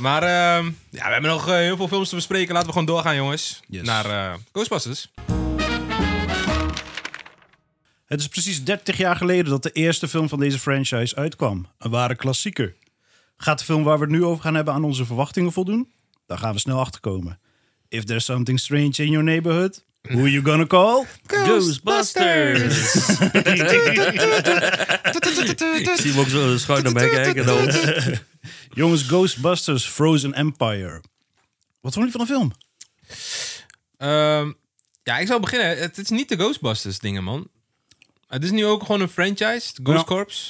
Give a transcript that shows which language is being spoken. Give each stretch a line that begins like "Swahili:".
Dutch: Maar ja, we hebben nog heel veel films te bespreken. Laten we gewoon doorgaan, jongens. Naar Ghostbusters. Het is precies 30 jaar geleden dat de eerste film van deze franchise uitkwam. Een ware klassieker. Gaat de film waar we het nu over gaan hebben aan onze verwachtingen voldoen? Daar gaan we snel achterkomen.
English: If there's something strange in your neighborhood, who are you gonna call? Ghostbusters!
Dutch: Ik zie hem ook zo schuin naar mij kijken. Jongens, Ghostbusters Frozen Empire. Wat vond je van de film? Ja, ik zal beginnen. Het is niet de Ghostbusters dingen, man. Het is nu ook gewoon een franchise, Ghost Corps.